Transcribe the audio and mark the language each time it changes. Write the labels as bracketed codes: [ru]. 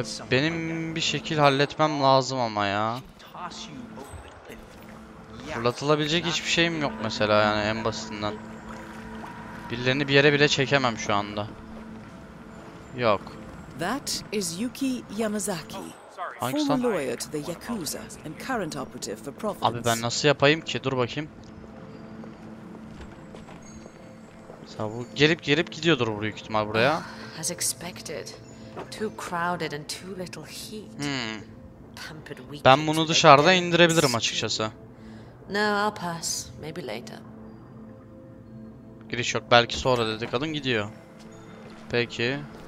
[tr] Benim bir şekil halletmem lazım ama ya. Fırlatılabilecek hiçbir şeyim yok mesela, yani en basitinden. Birilerini bir yere bile çekemem şu anda. Yok. [en] That is Yuki Yamazaki. Former lawyer to the Yakuza and current operative for Providence. [tr] Abi ben nasıl yapayım ki? Dur bakayım. Mesela bu gelip gelip gidiyordur buraya, büyük ihtimal buraya. [en] As expected. Too crowded and too little heat. [tr] Ben bunu dışarıda indirebilirim açıkçası. [en] No, I'll pass. Maybe later. [tr] Giriş yok. Belki sonra dedi kadın, gidiyor. Peki.